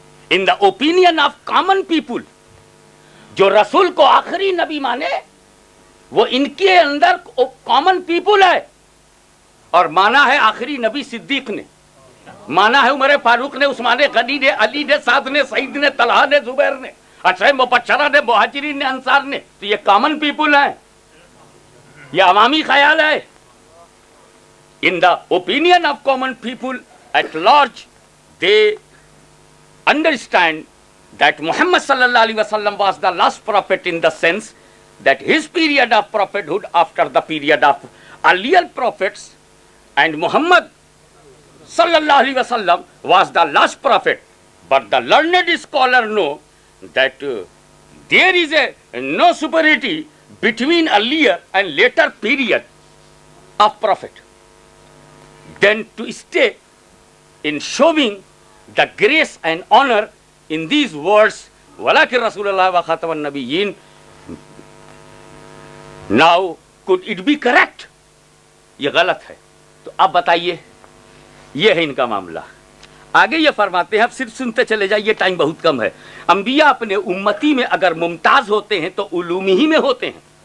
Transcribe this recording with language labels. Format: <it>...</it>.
<en>in the opinion of common people,</en> <hi>जो रसूल को आखिरी नबी माने वो इनके अंदर कॉमन पीपुल है, और माना है आखिरी नबी सिद्दीक ने, माना है उमर फारूक ने, उस्माने गनी ने, अली ने, साद ने, सईद ने, तलहा ने, जुबैर ने, अच्छा मुबच्छरा ने, मुहाजिरीन ने, अंसार ने। तो ये कॉमन पीपुल है, ये अवामी ख्याल है।</hi> <en>in the opinion of common people at large they understand that Muhammad sallallahu alaihi wasallam was the last prophet in the sense that his period of prophethood after the period of earlier prophets and Muhammad sallallahu alaihi wasallam was the last prophet, but the learned scholar know that there is a no superiority between earlier and later period of prophet, then to stay in showing the grace and honor in these words</en> <ar>walaki rasulullah wa khatam an nabiyyin,</ar> <en>now could it be correct?</en> <hi>ye galat hai, to ab bataiye, ye hai inka mamla। आगे ये फरमाते हैं, अब सिर्फ सुनते चले जाइए, time बहुत कम है। अंबिया अपने उम्मती में अगर मुमताज होते हैं तो उलूम ही में होते हैं।</hi>